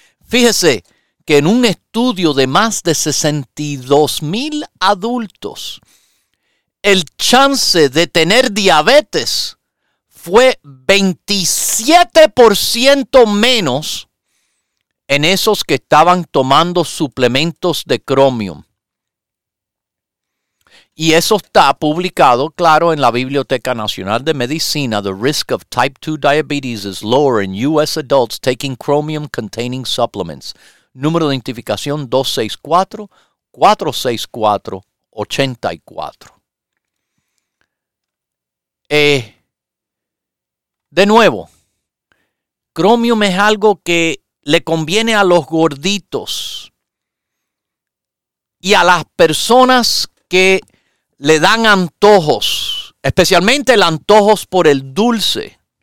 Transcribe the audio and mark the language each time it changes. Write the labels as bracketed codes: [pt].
[es] Fíjese que en un estudio de más de 62,000 adultos, el chance de tener diabetes fue 27% menos en esos que estaban tomando suplementos de Chromium. Y eso está publicado, claro, en la Biblioteca Nacional de Medicina. [en] The risk of type 2 diabetes is lower in U.S. adults taking Chromium-containing supplements. [es] Número de identificación 264-464-84. De nuevo, Chromium es algo que le conviene a los gorditos y a las personas que le dan antojos, especialmente el antojos por el dulce.